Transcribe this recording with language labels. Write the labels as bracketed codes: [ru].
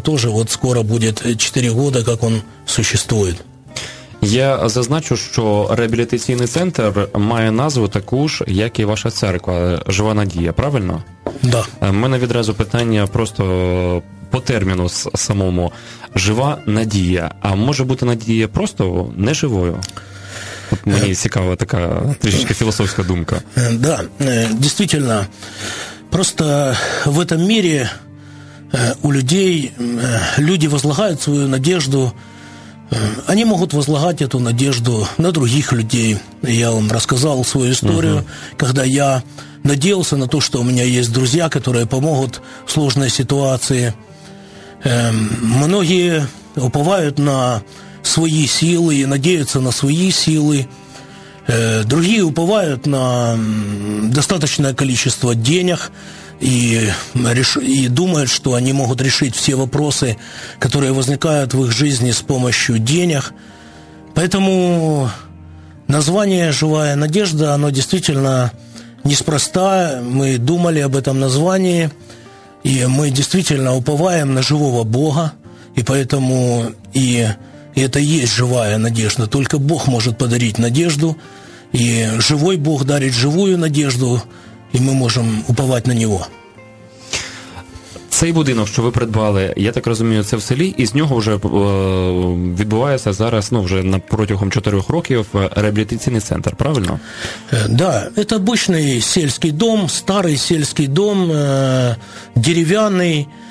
[ru] Тоже вот скоро будет 4 года, как он существует. [uk] Я зазначу, що реабілітаційний центр має назву таку ж, як і ваша церква «Жива надія», правильно? [ru] Да. [uk] У мене відразу питання просто по терміну самому. «Жива надія». А може бути надія просто неживою? От мені цікава така трішечки філософська думка. Да, дійсно. Просто в цьому світі у людей, люди возлагають свою надію. [ru] Они могут возлагать эту надежду на других людей. Я вам рассказал свою историю, когда я надеялся на то, что у меня есть друзья, которые помогут в сложной ситуации. Многие уповают на свои силы и надеются на свои силы. Другие уповают на достаточное количество денег и думают, что они могут решить все вопросы, которые возникают в их жизни с помощью денег. Поэтому название «Живая надежда», оно действительно неспроста. Мы думали об этом названии, и мы действительно уповаем на живого Бога, и поэтому и это и есть живая надежда. Только Бог может подарить надежду, и живой Бог дарит живую надежду, и мы можем уповать на Него. [uk] Цей будинок, що ви придбали, я так розумію, це в селі, і з нього вже відбувається зараз, ну, вже на протягом 4 років реабілітаційний центр, правильно? [ru] Да, это обычный сельский дом, старый сельский дом, деревянный.